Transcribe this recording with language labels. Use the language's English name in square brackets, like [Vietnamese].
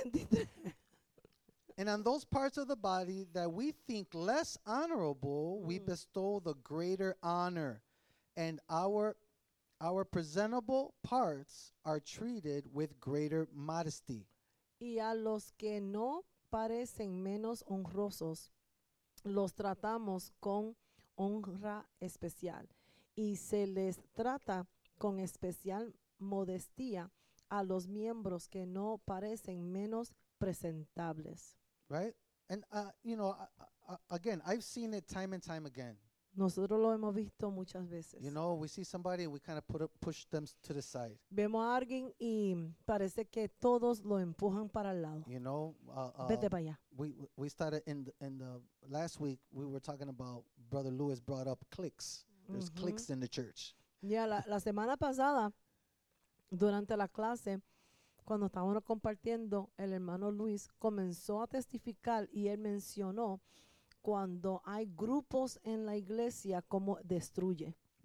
[English] Verse 23. And on those parts of the body that we think less honorable, we bestow the greater honor, and our presentable parts are treated with greater modesty. [Spanish] Y a los que no parecen menos honrosos, los tratamos con honra especial, y se les trata con especial modestia. a los miembros que no parecen menos presentables. [English] Right? And, you know, again, I've seen it time and time again. [Spanish] Nosotros lo hemos visto muchas veces. [English] You know, we see somebody and we kind of push them to the side. [Spanish] Vemos a alguien y parece que todos lo empujan para el lado. [English] You know, [Spanish] vete para allá. [English] We started in the last week, we were talking about, Brother Lewis brought up cliques. There's mm-hmm. cliques in the church. [Spanish] Yeah, la semana pasada, durante la clase, cuando estábamos compartiendo, el hermano Luis comenzó a testificar y él mencionó cuando hay grupos en la iglesia como destruye.